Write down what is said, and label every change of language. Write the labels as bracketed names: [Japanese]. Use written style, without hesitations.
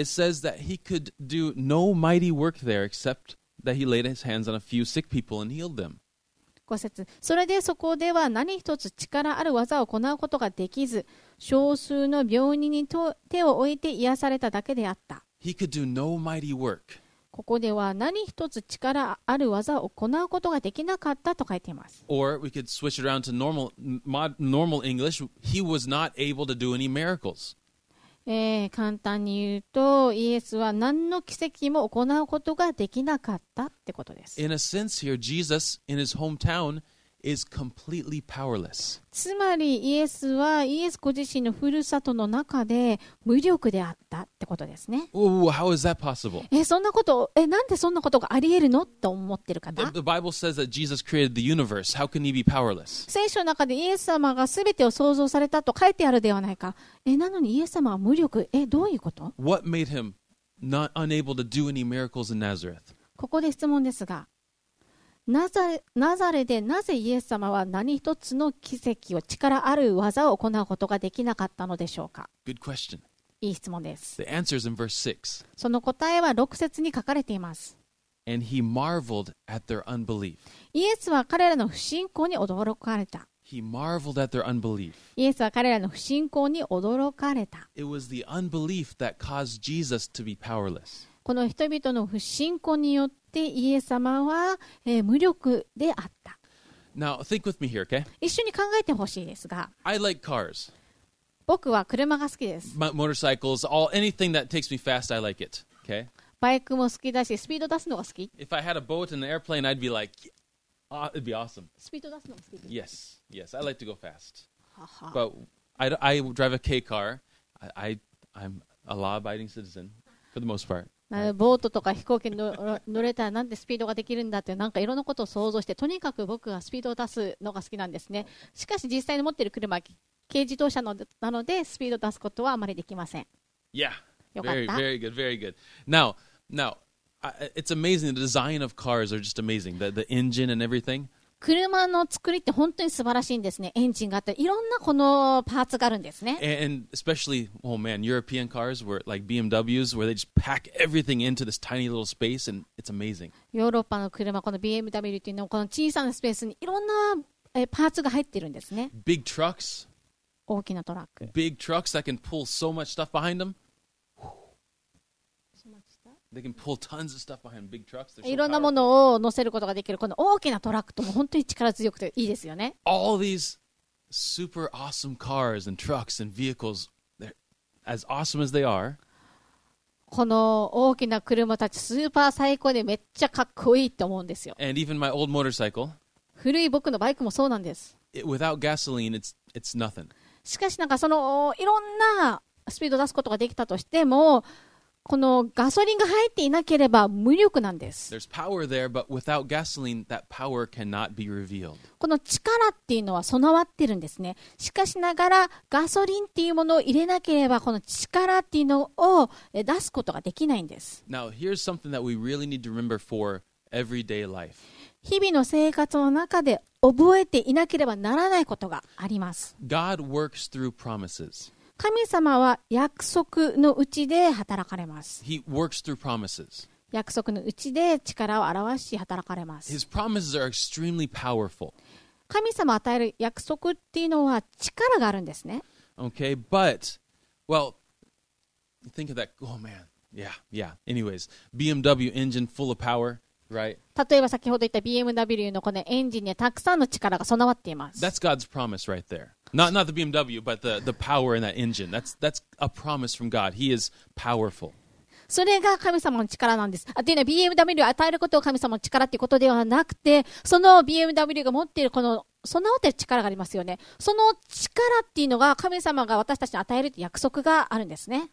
[English] It says that he could do no mighty work there except that he laid his hands on a few sick people and healed them. [Japanese] 5節。それでそこでは何一つ力ある技を行うことができず、少数の病人に手を置いて癒されただけであった。 [English] He could do no mighty work. [Japanese] ここでは何一つ力ある技を行うことができなかったと書いています。 [English] Or we could switch around to normal English. He was not able to do any miracles. [Japanese] 簡単に言うと、イエスは何の奇跡も行うことができなかったってことです。 [English] In a sense here, Jesus in his hometown is completely powerless. [Japanese] つまりイエスはイエスご自身のふるさとの中で無力であったってことですね。 [English] Oh, how is that possible? [Japanese] そんなこと、なんでそんなことがあり得るのと思ってる方。 [English] The Bible says that Jesus created the universe. How can he be powerless? [Japanese] 聖書の中でイエス様がすべてを創造されたと書いてあるではないか。なのにイエス様は無力。どういうこと？ [English] What made him not unable to do any miracles in Nazareth? [Japanese] ここで質問ですが、ナザレでなぜイエス様は何一つの奇跡を、力ある技を行うことができなかったのでしょうか。 [English] Good question. [Japanese] いい質問です。 [English] The answer is in verse 6. [Japanese] その答えは6節に書かれています。 [English] And he marveled at their unbelief. [Japanese] イエスは彼らの不信仰に驚かれた。 [English] He marveled at their unbelief. [Japanese] イエスは彼らの不信仰に驚かれた。 [English] It was the unbelief that caused Jesus to be powerless. [Japanese] この人々の不信仰によってイエス様は、無力であった。 [English] Now, think with me here, okay? [Japanese] 一緒に考えてほしいですが。 [English] I like cars. [Japanese] 僕は車が好きです。 [English] Motorcycles, all anything that takes me fast, I like it, okay? [Japanese] バイクも好きだし、スピード出すのが好き。 [English] If I had a boat and an airplane, I'd be like, it'd be awesome. [Japanese] スピード出すのが好きです。 [English] Yes, yes, I like to go fast. But I drive a K car. I'm a law-abiding citizen, for the most part. [Japanese] ボートとか飛行機に乗れたらなんでスピードができるんだって、なんかいろんなことを想像して、とにかく僕はスピードを出すのが好きなんですね。しかし実際に持っている車は軽自動車なので、スピードを出すことはあまりできません。 [English] Yeah. Very good. Now, it's amazing. The design of cars are just amazing. The engine and everything. [Japanese] 車の作りって本当に素晴らしいんですね。エンジンがあって、いろんなこのパーツがあるんですね。 [English] And especially, oh man, European cars were like BMWs, where they just pack everything into this tiny little space, and it's amazing. [Japanese] ヨーロッパの車、この BMW っていうのはこの小さなスペースにいろんなパーツが入ってるんですね。 [English] Big trucks. [Japanese] 大きなトラック。 [English] Big trucks that can pull so much stuff behind them. They can pull tons of stuff behind big trucks. [Japanese] いろんなものを乗せることができるこの大きなトラックとも本当に力強くていいですよね。 [English] All these super awesome cars and trucks and vehicles, as awesome as they are, [Japanese] この大きな車たちスーパー最高でめっちゃかっこいいと思うんですよ。 [English] And even my old motorcycle, [Japanese] 古い僕のバイクもそうなんです。 [English] Without gasoline, it's nothing. [Japanese] しかしなんかそのいろんなスピードを出すことができたとしても。このガソリンが入っていなければ無力なんです。 [English] There's power there, but without gasoline, that power cannot be revealed. [Japanese] この力っていうのは備わってるんですね。しかしながらガソリンっていうものを入れなければこの力っていうのを出すことができないんです。 [English] Now, here's something that we really need to remember for everyday life. [Japanese] 日々の生活の中で覚えていなければならないことがあります。 [English] God works through promises. [Japanese] 神様は約束のうちで働かれます。 [English] He works through promises. [Japanese] 約束のうちで力を表し働かれます。 [English] His promises are extremely powerful. [Japanese] 神様与える約束っていうのは力があるんですね。 [English] Okay, but, well, think of that. Oh man, yeah, yeah. Anyways, BMW engine full of power, right? [Japanese] 例えば先ほど言った BMW のこのエンジンにはたくさんの力が備わっています。 [English] That's God's promise right there. Not the BMW, but the power in that engine. That's a promise from God. He is powerful. [Japanese] それが神様の力なんです。あ、というのは BMW を与えることを神様の力ということではなくて、その BMW が持っているこの備わっている力がありますよね。その力っていうのが神様が私たちに与える約束があるんですね。